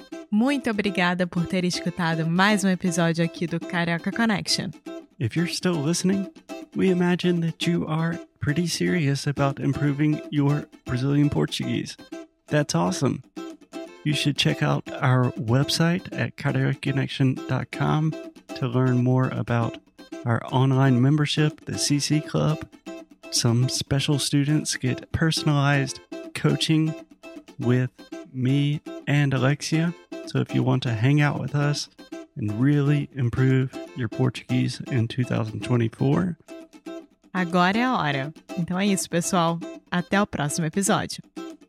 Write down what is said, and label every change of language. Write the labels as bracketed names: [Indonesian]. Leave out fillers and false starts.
[Portuguese] Muito obrigada por ter escutado mais um episódio aqui do Carioca Connection. [English] If you're still listening, we imagine that you are pretty serious about improving your Brazilian Portuguese. That's awesome! You should check out our website at cariocaconnection.com to learn more about our online membership, the CC Club. Some special students get personalized coaching with me and Alexia. So if you want to hang out with us and really improve your Portuguese in 2024. [Portuguese] Agora é a hora. Então é isso, pessoal. Até o próximo episódio.